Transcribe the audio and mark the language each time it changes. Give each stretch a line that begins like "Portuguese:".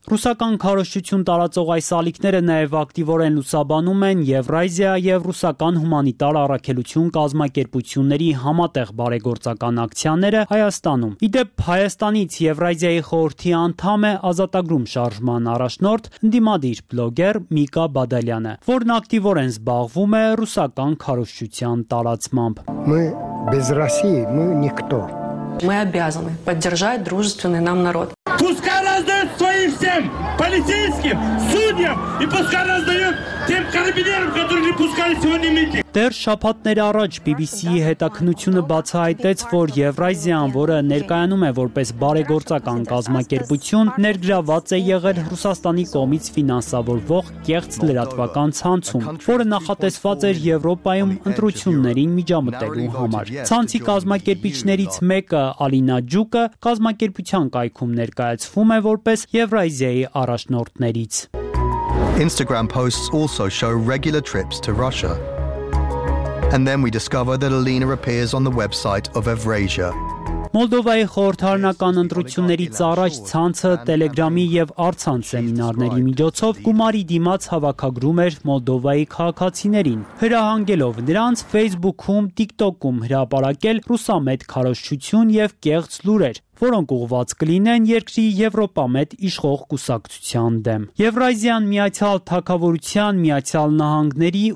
Armenian: Ռուսական քարոշչություն տարածող այս ալիքները նաեւ ակտիվորեն լուսաբանում են Եվրազիա եւ ռուսական հումանիտար առաքելություն կազմակերպությունների համատեղ բարեգործական ակցիաները Հայաստանում։ Իդեպ Հայաստանից Եվրազիայի խորհրդի անդամ է ազատագրում շարժման առաջնորդ դիմադիր բլոգեր Միկա Բադալյանը, որն ակտիվորեն զբաղվում է ռուսական քարոշչության տարածքով։
Russian: Мы без России, мы никто. Мы обязаны поддержать дружественный нам народ. Пускай раздают своим всем полицейским, судьям и пускай раздают тем карабинерам, которые не пускали сегодня митинг.
Armenian: Դեռ շաբաթներ առաջ BBC-ի հետաքննությունը բացահայտեց, որ Եվրազիան, որը ներկայանում է որպես բարեգործական կազմակերպություն, ներգրաված է եղել Ռուսաստանի կողմից ֆինանսավորվող կեղծ լրատվական ցանցում, որը նախատեսված էր Եվրոպայում ընտրություններին միջամտելու համար։ Ցանցի կազմակերպիչներից մեկը, Ալինա Ջուկը, կազմակերպության կայքում ներկայացվում է որպես Եվրազիայի առաջնորդներից։
English: Instagram posts also show regular trips to Russia. And then we discover that Alina appears on the website of Evrasia.
Armenian: Մոլդովայի խորհրդարանական ընտրություններից առաջ ցանցը Telegram-ի եւ Արցան սեմինարների միջոցով գումարի դիմաց հավաքագրում էր Մոլդովայի քաղաքացիներին, հրահանգելով նրանց Facebook-ում, TikTok-ում հրապարակել ռուսամետ քարոշչություն եւ կեղծ լուրեր, որոնք ուղված կլինեն երկրի Եվրոպամետ իշխող կուսակցության դեմ։ Եվրազիան միացյալ թակավորության, միացյալ նահանգների